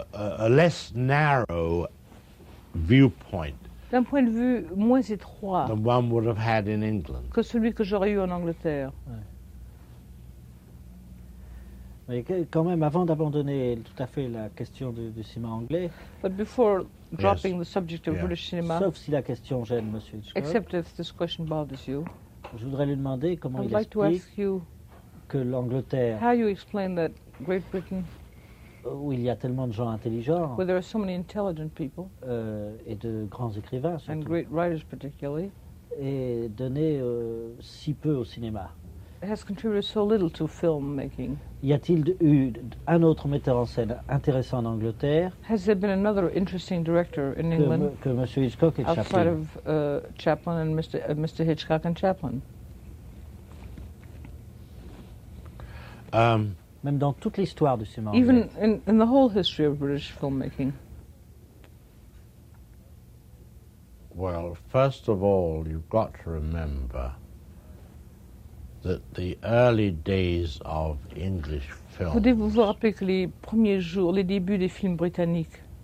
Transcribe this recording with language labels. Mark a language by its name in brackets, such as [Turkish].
[English] a less narrow viewpoint, [French] d'un point de vue moins étroit, [English] than one would have had in England, [French] que celui que j'aurais eu en Angleterre. Mais quand même, avant d'abandonner tout à fait la question du cinéma anglais, [English] but before dropping, yes, the subject of, yeah, British cinema, [French] sauf si la question gêne Monsieur Hitchcock, [English] except if this question bothers you, [French] je voudrais lui demander comment [English] I'd [French] il [English] like [French] explique [English] to ask you [French] que l'Angleterre, [English] how you explain that Great Britain, [French] où il y a tellement de gens intelligents, [English] where there are so many intelligent people, [French] et de grands écrivains surtout, [English] and great writers particularly, [French] et donner si peu au cinéma. [English] Has contributed so little to filmmaking. [French] Y a-t-il eu un autre metteur en scène intéressant en Angleterre? [English] Has there been another interesting director in England? [French] Que Monsieur Hitchcock et Chaplin. [English] Outside of Chaplin and Mr. Hitchcock and Chaplin. [French] Même dans toute l'histoire du cinéma. [English] Even in the whole history of British filmmaking. Well, first of all, you've got to remember that the early days of English films, [French] voulez-vous vous rappeler que les premiers jours, les débuts des films britanniques,